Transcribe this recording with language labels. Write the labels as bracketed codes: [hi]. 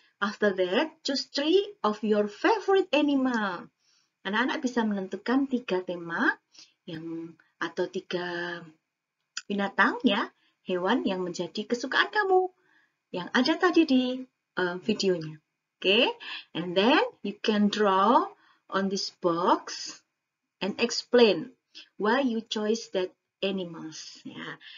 [en] After that, choose three of your favorite animal. [id] Anak-anak bisa menentukan tiga tema yang atau tiga binatang ya, hewan yang menjadi kesukaan kamu yang ada tadi di videonya. [en] Oke, okay? And then you can draw on this box and explain why you chose that animals ya.